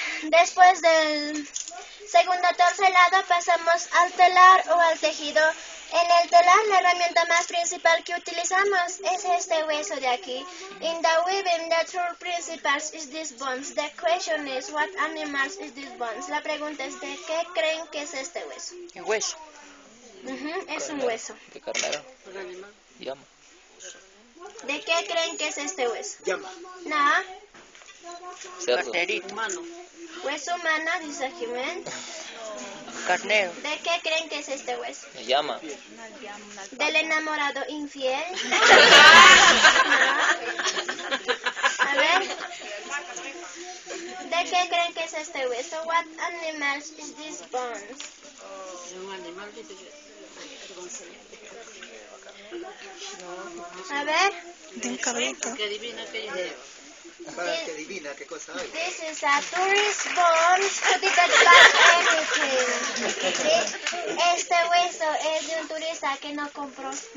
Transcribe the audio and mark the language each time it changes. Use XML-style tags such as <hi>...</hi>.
<es>Después del segundo torcelado pasamos al telar o al tejido. En el telar la herramienta más principal que utilizamos es este hueso de aquí.</es> <en>In the weaving, the true principal is this bones. The question is, what animals is this bones?</en> <es>La pregunta es, ¿de qué creen que es este hueso? ¿Un hueso? Es un hueso. ¿De carnero? Llama. ¿De qué creen que es este hueso? Llama. Nada. Carnerito. Humano. Hueso humano, dice Jiménez. Carnero. ¿De qué creen que es este hueso? Me llama. ¿Del enamorado infiel? A ver. ¿De qué creen que es este hueso?</es> <en>What animal is this bone?</en> <es>Es un animal que a ver. De un cabrito. Que adivina que es. Para</es> <en>this,</en> <es>que adivina qué cosa hay.</es> <en>This is a tourist bone to detect bad everything.</en> <es>Este hueso es de un turista que no compró.</es>